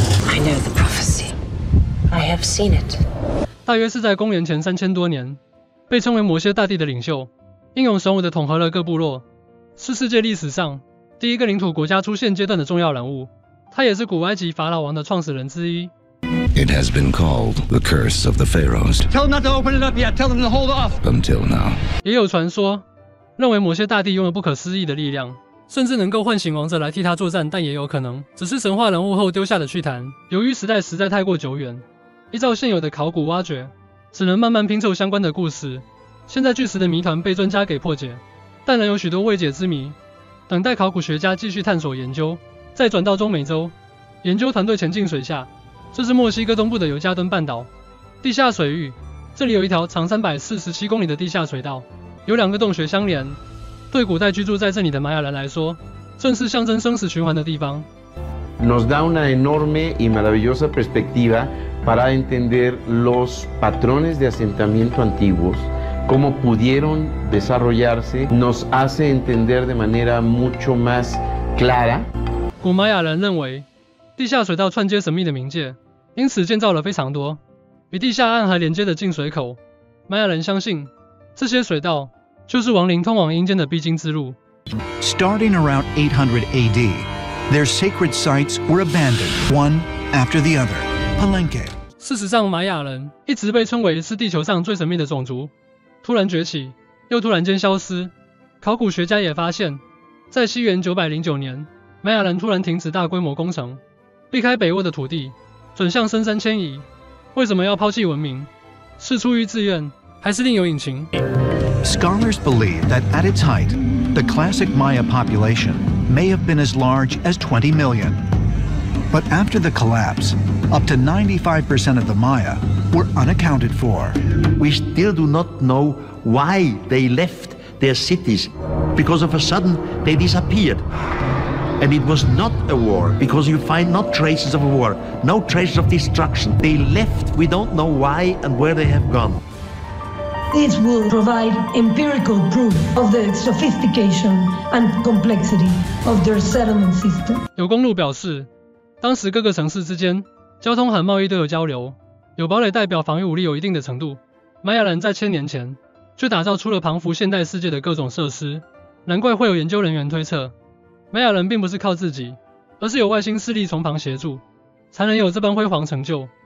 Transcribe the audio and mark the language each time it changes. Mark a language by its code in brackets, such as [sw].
[en] I know the prophecy. I have seen it. [zh] 大约是在公元前3000多年，被称为摩蝎大帝的领袖英勇神武地统合了各部落，是世界历史上第一个领土国家出现阶段的重要人物，他也是古埃及法老王的创始人之一。 [en] It has been called the curse of the pharaohs. Tell them not to open it up yet. Tell them to hold off until now. [zh] 也有传说认为摩蝎大帝拥有不可思议的力量，甚至能够唤醒王者来替他作战，但也有可能只是神话人物后丢下的趣谈。由于时代实在太过久远，依照现有的考古挖掘，只能慢慢拼凑相关的故事。现在巨石的谜团被专家给破解，但仍有许多未解之谜，等待考古学家继续探索研究。再转到中美洲，研究团队潜进水下，这是墨西哥东部的尤加敦半岛地下水域，这里有一条长347公里的地下水道，有两个洞穴相连，对古代居住在这里的玛雅人来说，正是象征生死循环的地方。 [es] nos da una enorme y maravillosa perspectiva para entender los patrones de asentamiento antiguos, cómo pudieron desarrollarse, nos hace entender de manera mucho más clara. [zh] 古玛雅人认为，地下水道串接神秘的冥界，因此建造了非常多与地下暗河连接的进水口。玛雅人相信，这些水道就是亡灵通往阴间的必经之路。 [en] Starting around 800 AD, their sacred sites were abandoned one after the other. Palenque. [zh] 事实上，玛雅人一直被称为是地球上最神秘的种族，突然崛起，又突然间消失。考古学家也发现，在西元909年。玛雅人突然停止大规模工程，避开北沃的土地，转向深山迁移。为什么要抛弃文明？是出于自愿，还是另有隐情 [en] ？Scholars believe that at its height, the classic Maya population may have been as large as 20 million. But after the collapse, up to 95% of the Maya were unaccounted for. We still do not know why they left their cities, because of a sudden they disappeared. And it was not a war, because you find not traces of a war, no traces of destruction. They left, we don't know why and where they have gone. This will provide empirical proof of the sophistication and complexity of their settlement system. [zh] 有公路表示，当时各个城市之间交通和贸易都有交流，有堡垒代表防御武力有一定的程度。玛雅人在千年前就打造出了庞幅现代世界的各种设施，难怪会有研究人员推测。玛雅人并不是靠自己，而是有外星势力从旁协助，才能有这般辉煌成就。